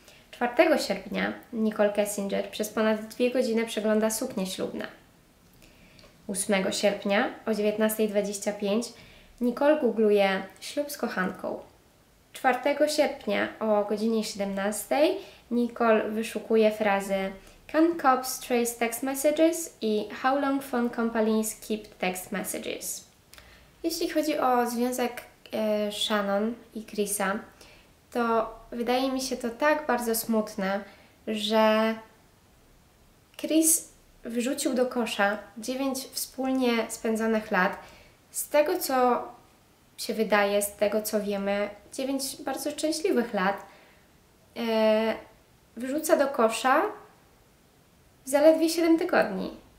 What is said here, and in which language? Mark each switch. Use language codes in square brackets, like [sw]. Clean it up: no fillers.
[pl] 4 sierpnia Nicole Kessinger przez ponad 2 godziny przegląda suknie ślubne. 8 sierpnia o 19:25 Nicole googluje ślub z kochanką. 4 sierpnia o godzinie 17 Nicole wyszukuje frazy [en] Can cops trace text messages? I how long phone companies keep text messages? [pl] Jeśli chodzi o związek Shannon i Chrisa, to wydaje mi się to tak bardzo smutne, że Chris wrzucił do kosza 9 wspólnie spędzonych lat. Z tego, co się wydaje, z tego, co wiemy, 9 bardzo szczęśliwych lat wrzuca do kosza zaledwie 7 tygodni.